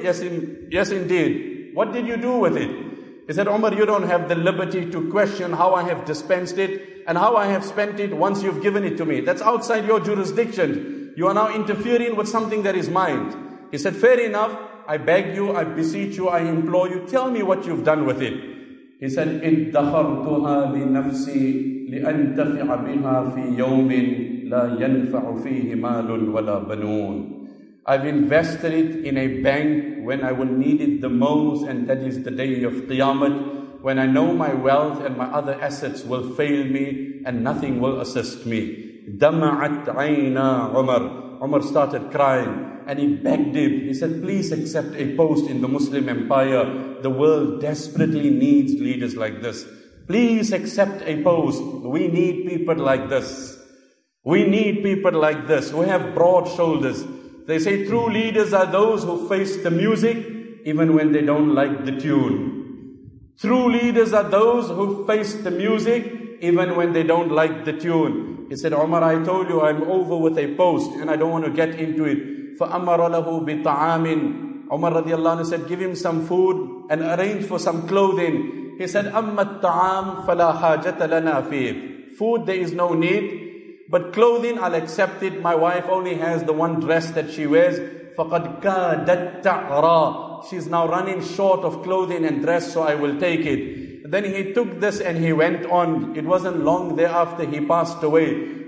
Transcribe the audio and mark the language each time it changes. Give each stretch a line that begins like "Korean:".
English: Yes, indeed. What did you do with it? He said, Umar, you don't have the liberty to question how I have dispensed it and how I have spent it once you've given it to me. That's outside your jurisdiction. You are now interfering with something that is mine. He said, fair enough. I beg you, I beseech you, I implore you. Tell me what you've done with it. He said,
Arabic: اِدَّخَرْتُهَا لِنَفْسِي لِأَنْتَفِعَ بِهَا فِي يَوْمٍ لَا يَنْفَعُ فِيهِ مَالٌ وَلَا بَنُونَ.
English: I've invested it in a bank when I will need it the most, and that is the day of Qiyamah, when I know my wealth and my other assets will fail me and nothing will assist me.
Arabic: Dama'at 'ayna Umar.
English: Umar started crying and he begged him. He said, please accept a post in the Muslim Empire. The world desperately needs leaders like this. Please accept a post. We need people like this. We need people like this. We have broad shoulders. They say true leaders are those who face the music even when they don't like the tune. True leaders are those who face the music even when they don't like the tune. He said, Umar, I told you I'm over with a post and I don't want to get into it.
Arabic: فَأَمَرَ لَهُ بِطَعَامٍ.
English: Umar radiallahu anhu said, give him some food and arrange for some clothing. He said,
Arabic: أَمَّا الطَّعَامُ فَلَا حَاجَةَ لَنَا فِيهِ.
English: Food, there is no need. But clothing, I'll accept it. My wife only has the one dress that she wears.
Arabic: فَقَدْ كَادَتْ تَعْرَى.
English: She's now running short of clothing and dress, so I will take it. Then he took this and he went on. It wasn't long thereafter he passed away.